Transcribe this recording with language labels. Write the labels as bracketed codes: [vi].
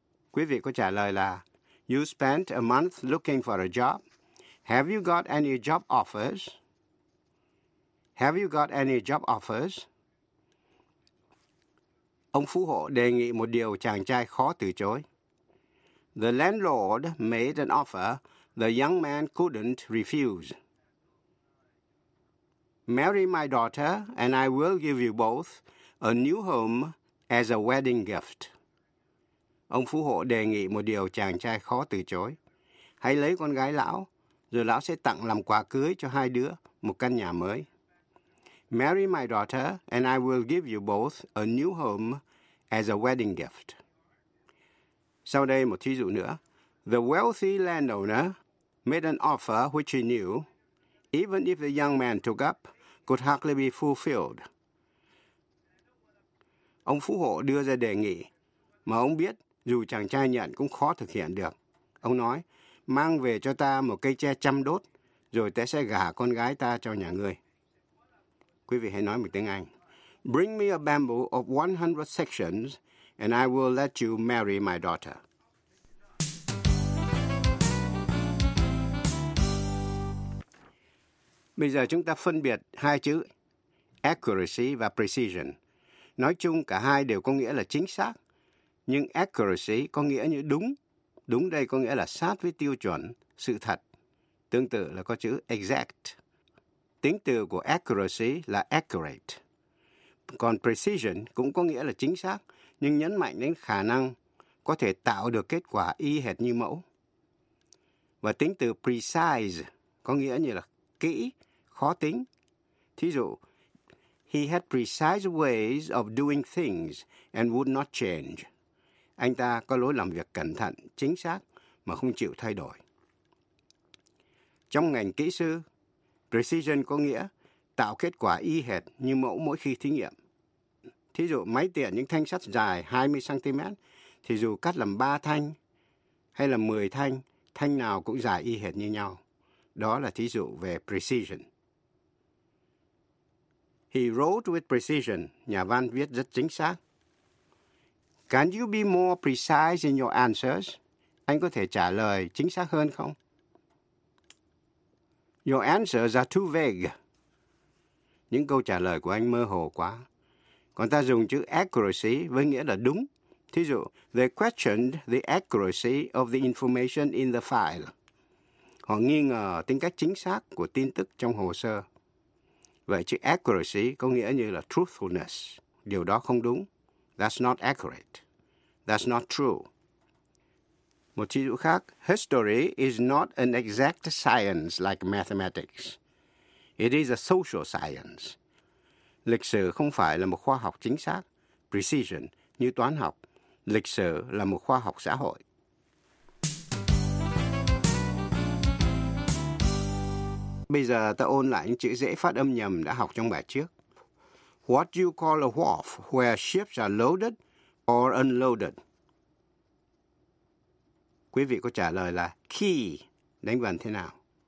[vi] Quý vị có trả lời là [en] you spent a month looking for a job. Have you got any job offers? Have you got any job offers? [vi] Ông phú hộ đề nghị một điều chàng trai khó từ chối. [en] The landlord made an offer the young man couldn't refuse. Marry my daughter and I will give you both a new home as a wedding gift. [vi] Ông phú hộ đề nghị một điều chàng trai khó từ chối. Hãy lấy con gái lão, rồi lão sẽ tặng làm quà cưới cho hai đứa một căn nhà mới. [en] Marry my daughter and I will give you both a new home as a wedding gift. [vi] Sau đây một thí dụ nữa. [en] The wealthy landowner made an offer which he knew, even if the young man took up, could hardly be fulfilled. [vi] Ông phú hộ đưa ra đề nghị mà ông biết dù chàng trai nhận cũng khó thực hiện được. Ông nói, mang về cho ta một cây tre trăm đốt, rồi ta sẽ gả con gái ta cho nhà ngươi. Quý vị hãy nói một tiếng Anh. [en] Bring me a bamboo of 100 sections, and I will let you marry my daughter. [vi] Bây giờ chúng ta phân biệt hai chữ accuracy và precision. Nói chung cả hai đều có nghĩa là chính xác. Nhưng accuracy có nghĩa như đúng. Đúng đây có nghĩa là sát với tiêu chuẩn, sự thật. Tương tự là có chữ exact. Tính từ của accuracy là accurate. Còn precision cũng có nghĩa là chính xác, nhưng nhấn mạnh đến khả năng có thể tạo được kết quả y hệt như mẫu. Và tính từ precise có nghĩa như là kỹ, khó tính. Thí dụ, [en] he had precise ways of doing things and would not change. [vi] Anh ta có lối làm việc cẩn thận, chính xác mà không chịu thay đổi. Trong ngành kỹ sư, precision có nghĩa tạo kết quả y hệt như mẫu mỗi khi thí nghiệm. Thí dụ, máy tiện những thanh sắt dài 20cm, thì dù cắt làm 3 thanh hay là 10 thanh, thanh nào cũng dài y hệt như nhau. Đó là thí dụ về precision. [en] He wrote with precision, [vi] nhà văn viết rất chính xác. [en] Can you be more precise in your answers? [vi] Anh có thể trả lời chính xác hơn không? [en] Your answers are too vague. [vi] Những câu trả lời của anh mơ hồ quá. Còn ta dùng chữ accuracy với nghĩa là đúng. Thí dụ, [en] they questioned the accuracy of the information in the file. [vi] Họ nghi ngờ tính cách chính xác của tin tức trong hồ sơ. Vậy chữ accuracy có nghĩa như là truthfulness. Điều đó không đúng. [en] That's not accurate. That's not true. [vi] Một thí dụ khác, [en] history is not an exact science like mathematics. It is a social science. [vi] Lịch sử không phải là một khoa học chính xác, precision, như toán học. Lịch sử là một khoa học xã hội. Bây giờ ta ôn lại những chữ dễ phát âm nhầm đã học trong bài trước. [en] What do you call a wharf where ships are loaded or unloaded? [vi] Quý vị có trả lời là quay, đánh vần thế nào?